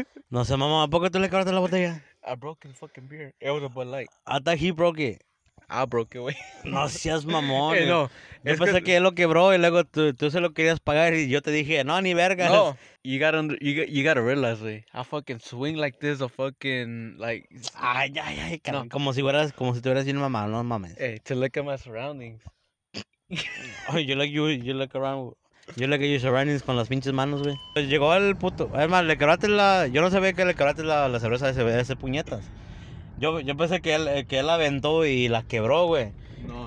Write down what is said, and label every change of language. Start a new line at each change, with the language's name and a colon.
Spanish: No sé, mamá, ¿a poco tú le quebraste la botella?
English: I broke his fucking beer. It was a Bud Light. I thought he broke it. I broke it, güey.
Spanish: No seas mamón. Hey, no. Yo pensé que él lo quebró y luego tú se lo querías pagar y yo te dije, no, ni verga.
English: No. You gotta realize, güey. I fucking swing like this, a fucking, like. Ay, ay, ay. No.
Spanish: Como si tú eras bien mamá, no mames.
English: Hey, to look at my surroundings. Oh, you look at your surroundings
Spanish: con las pinches manos, güey. Pues llegó el puto. Hermano, le quebraste la. Yo no sabía que le quebraste la cerveza de ese puñetas. Yo pensé que él la aventó y la quebró, güey. No.